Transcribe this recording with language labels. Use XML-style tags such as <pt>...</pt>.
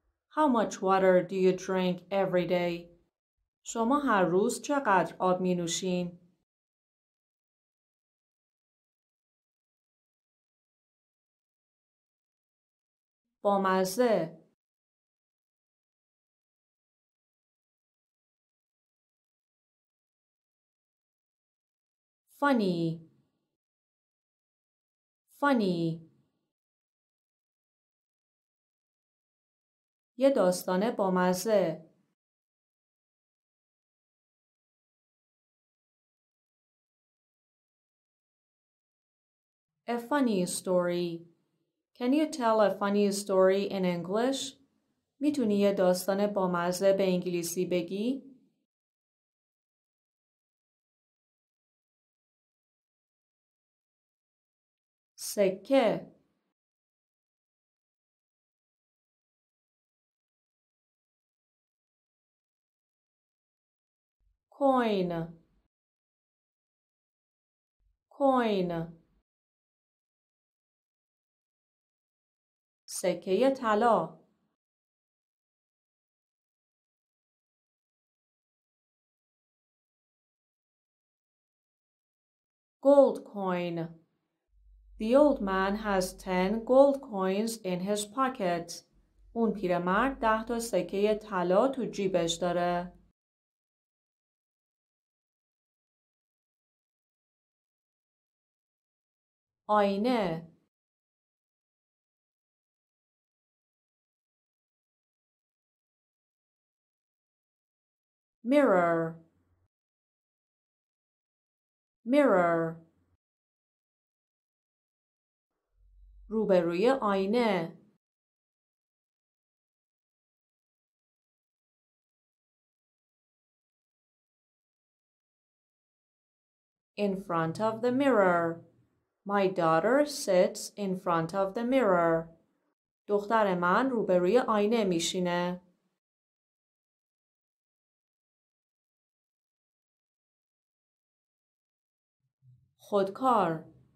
<en>How much water do you drink every day?</en> <fa>شما هر روز چقدر آب می نوشین؟ بامزه.</fa> <en>Funny. Funny.</en> <fa>یه داستان بامزه.</fa> <en>A funny story. Can you tell a funny story in English?</en> <fa>میتونی یه داستان بامزه به انگلیسی بگی؟ سکه.</fa> <en>Coin. Coin.</en> <fa>سکه طلا.</fa> <en>Gold coin. The old man has 10 gold coins in his pocket.</en> <fa>اون پیرمرد 10 تا سکه طلا تو جیبش داره. آینه.</fa> <en>Mirror. Mirror.</en> <fa>روبروی آینه.</fa> <en>In front of the mirror. My daughter sits in front of the mirror.</en> <fa>دختر من روبروی آینه میشینه. خودکار.</fa>